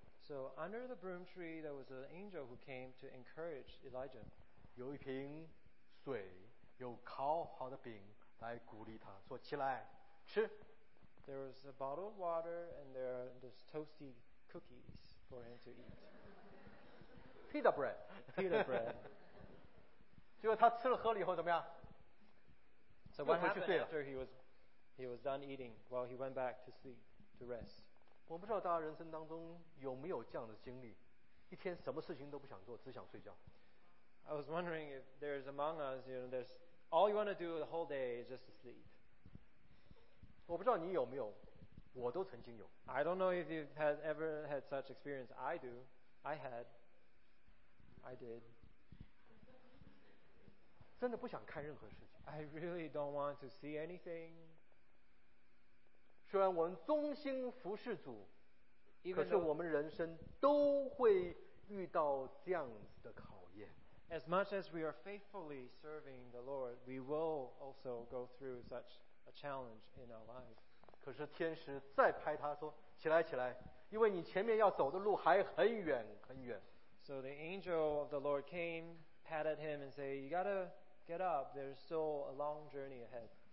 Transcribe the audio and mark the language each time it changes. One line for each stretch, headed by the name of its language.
English: So under the broom tree, there was an angel who came to encourage Elijah.
Chinese: 有一瓶水，有烤好的饼来鼓励他，说起来。
English: There was a bottle of water and there are those toasty cookies for him to eat. Pita bread. Pita bread.
Chinese: 结果他吃了喝了以后怎么样？
English: So what happened after he was done eating? Well, he went back to sleep, to rest.
Chinese: 我不知道大家人生当中有没有这样的经历，一天什么事情都不想做，只想睡觉。
English: I was wondering if there's among us, you know, there's all you want to do the whole day is just to sleep.
Chinese: 我不知道你有没有，我都曾经有。
English: I don't know if you've ever had such experience. I do. I had. I did.
Chinese: 真的不想看任何事情。
English: I really don't want to see anything.
Chinese: 虽然我们忠心服侍主， 可是我们人生都会遇到这样子的考验。
English: As much as we are faithfully serving the Lord, we will also go through such a challenge in our life.
Chinese: 可是天使再拍他说起来起来，因为你前面要走的路还很远很远。
English: So the angel of the Lord came, patted him and said, you gotta get up, there's still a long journey ahead.